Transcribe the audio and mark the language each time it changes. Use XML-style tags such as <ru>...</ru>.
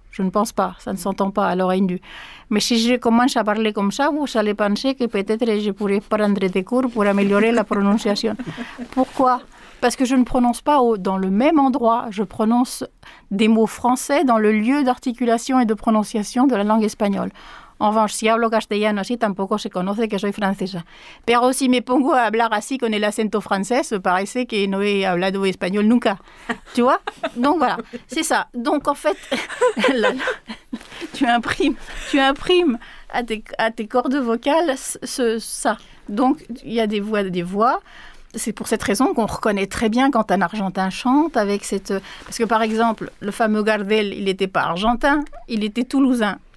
<fr>Je ne pense pas, ça ne s'entend pas à l'oreille nue. Mais si je commence à parler comme ça, vous allez penser que peut-être je pourrais prendre des cours pour améliorer la prononciation. Pourquoi ? Parce que je ne prononce pas dans le même endroit, je prononce des mots français dans le lieu d'articulation et de prononciation de la langue espagnole.</fr> <es>En revanche, si hablo castellano así, tampoco se conoce que soy francesa. Pero si me pongo a hablar así con el acento francés, me parece que no he hablado español nunca.</es> <fr>Tu vois? Donc voilà, c'est ça. Donc en fait, tu imprimes à tes cordes vocales ça. Donc il y a des voix. C'est pour cette raison qu'on reconnaît très bien quand un Argentin chante avec cette... Parce que par exemple, le fameux Gardel, il n'était pas argentin, il était toulousain.</fr>